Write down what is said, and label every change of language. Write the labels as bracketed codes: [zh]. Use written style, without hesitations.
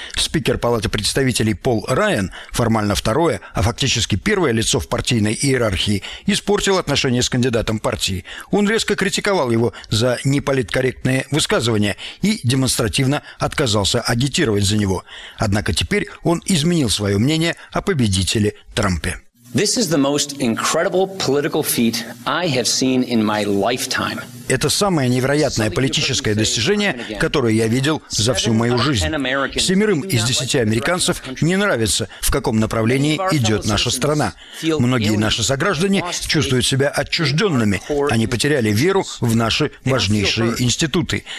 [ru] Спикер Палаты представителей Пол Райан, формально второе, а фактически первое лицо в партийной иерархии, испортил отношения с кандидатом партии. Он резко критиковал его за неполиткорректные высказывания и демонстративно отказался агитировать за него. Однако теперь он изменил свое мнение о победителе Трампе. [en] This is the most incredible political feat I have seen in my lifetime. [ru] Это самое невероятное политическое достижение, которое я видел за всю мою жизнь. 7 из 10 американцев не нравится, в каком направлении идет наша страна. Многие наши сограждане чувствуют себя отчужденными. Они потеряли веру в наши важнейшие институты.